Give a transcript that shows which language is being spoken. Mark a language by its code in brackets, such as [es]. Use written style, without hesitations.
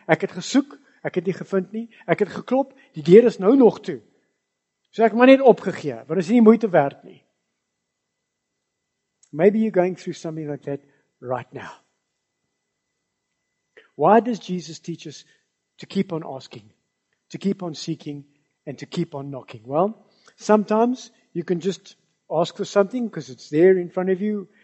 [af] Ek het gesoek, ek het nie gevind nie. Ek het geklop, die deur is nou nog toe. So ek maar net opgegee, want dit is nie moeite werd nie. [en] Maybe you're going through something like that right now. Why does Jesus teach us to keep on asking, to keep on seeking, and to keep on knocking? Well, sometimes you can just ask for something because it's there in front of you.